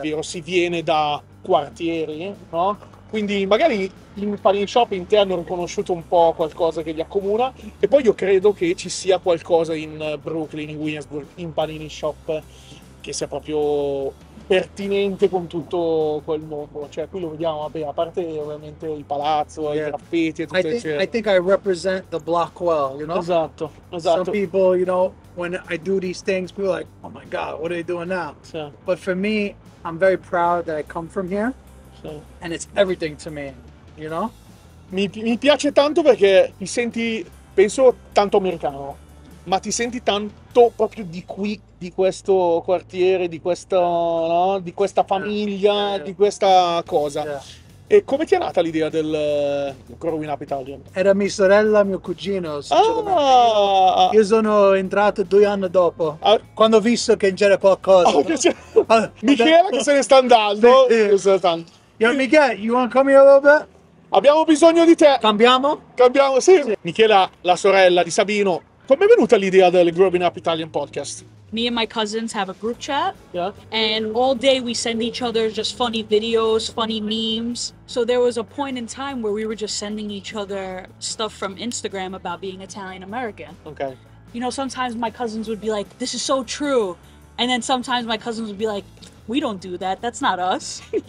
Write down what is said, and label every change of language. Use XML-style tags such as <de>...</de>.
<it>Vero, si viene da quartieri, no? Quindi magari in Panini Shop in te hanno riconosciuto un po' qualcosa che li accomuna. E poi io credo che ci sia qualcosa in Brooklyn, in Williamsburg, in Panini Shop, che sia proprio... pertinente con tutto quel mondo, cioè qui lo vediamo, vabbè, a parte ovviamente il palazzo, yeah. I graffiti e tutto eccetera.</it> <en>I think I represent the block well, you know?</en> <it>Esatto, esatto.</it> <en>Some people, you know, when I do these things, people are like, oh my God, what are you doing now?</en> <it>Sì.</it> <en>But for me, I'm very proud that I come from here,</en> <it>sì.</it> <en>And it's everything to me, you know?</en> <it>Mi piace tanto perché ti senti, penso, tanto americano, ma ti senti tanto proprio di qui, di questo quartiere, di questo, no? Di questa famiglia, yeah, yeah. Di questa cosa.</it> <en>Yeah.</en> <it>E come ti è nata l'idea del Growing Up Italian? Era mia sorella, mio cugino. Ah! Io sono entrato 2 anni dopo, quando ho visto che c'era qualcosa. Oh, no? Michele che se ne sta andando.</it> <en>Yo, Michele, you want to come here a little bit?</en> <it>Abbiamo bisogno di te. Cambiamo, sì. Michela, la sorella di Sabino. Come è venuta l'idea del Growing Up Italian Podcast?</it> <en>me and my cousins have a group chat. Yeah. And all day we send each other just funny videos, funny memes. So there was a point in time where we were just sending each other stuff from Instagram about being Italian American. Okay. You know, sometimes my cousins would be like, this is so true. And then sometimes my cousins would be like, we don't do that. That's not us.</en>